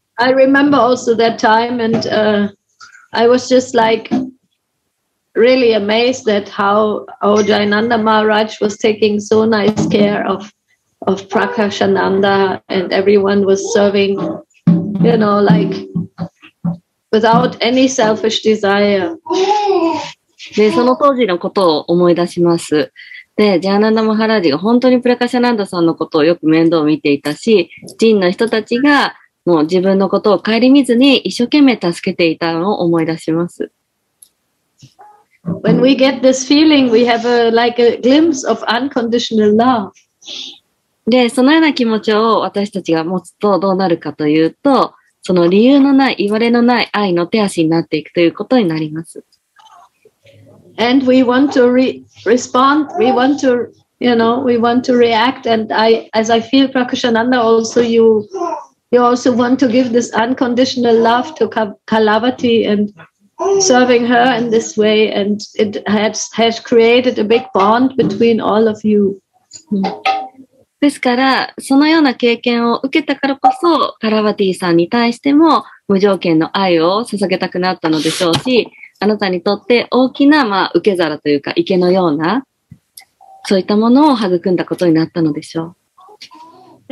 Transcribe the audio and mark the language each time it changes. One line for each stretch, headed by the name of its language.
English: I remember also that time and I was just like really amazed at how Jainanda Maharaj was taking so nice care of Prakashananda and everyone was serving, you know, like. Without any selfish desire.
Japanese: で、その当時のことを思い出します。で、ジャーナンダ・マハラージが本当にプラカシャナンダさんのことをよく面倒を見ていたし、人の人たちがもう自分のことを顧みずに一生懸命助けていたのを思い出します。
English: When we get this feeling, we have a, like a glimpse of unconditional love.
Japanese: で、そのような気持ちを私たちが持つとどうなるかというと、その理由のない、いわれのない愛の手足になっていくということになります。
English: And we want to respond, we want to, you know, we want to react, and I, as I feel, Prakashananda, also you also want to give this unconditional love to Kalavati and serving her in this way, and it has created a big bond between all of you.
Japanese: ですから、そのような経験を受けたからこそ、カラバティさんに対しても無条件の愛を注げたくなったのでしょうし、あなたにとって大きな、まあ、受け皿というか池のような、そういったものを育んだことになったのでしょう。